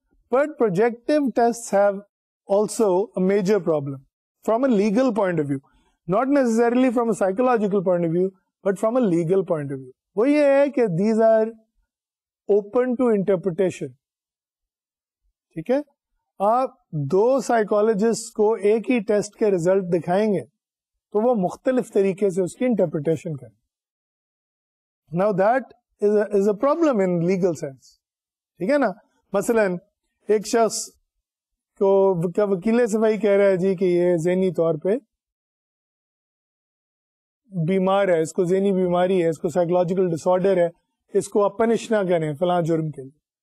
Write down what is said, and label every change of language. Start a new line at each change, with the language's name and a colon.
English: But projective tests have also a major problem from a legal point of view, not necessarily from a psychological point of view but from a legal point of view.
Urdu: وہ یہ ہے کہ
English: These are open to interpretation.
Urdu: ٹھیک ہے, آپ دو psychologist کو ایک ہی test کے ریزلٹ دکھائیں گے تو وہ مختلف طریقے سے اس کی انٹرپریٹیشن کریں.
English: Now that is a problem in legal sense.
Urdu: ٹھیک ہے نا, مثلاً ایک شخص کو وکیل صفائی کہہ رہا ہے جی کہ یہ ذہنی طور پہ بیمار ہے, اس کو ذہنی بیماری ہے, اس کو سائیکولوجیکل ڈس آرڈر ہے, اس کو آپ پنش نہ کریں فلاں جرم کے لیے.